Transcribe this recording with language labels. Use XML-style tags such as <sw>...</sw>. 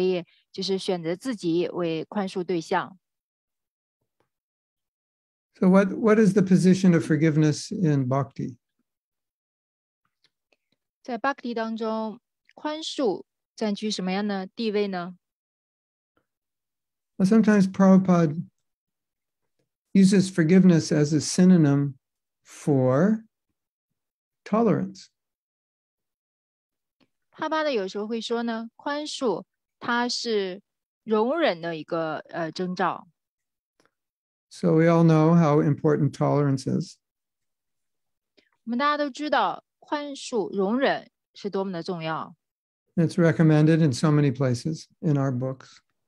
<zh>就是呢，你们觉得应当宽恕自己的话呢，那么你们也可以就是选择自己为宽恕对象。</zh> <en>So what is the position of forgiveness in bhakti?</en> <zh>在bhakti当中，宽恕占据什么样的地位呢？</zh> <en>Well, sometimes Prabhupada uses forgiveness as a synonym for tolerance.</en> <zh>帕巴的有时候会说呢，宽恕它是容忍的一个征兆。</zh> <en>So we all know how important tolerance is.</en> <zh>我们大家都知道宽恕容忍是多么的重要。</zh> <en>It's recommended in so many places in our books.</en>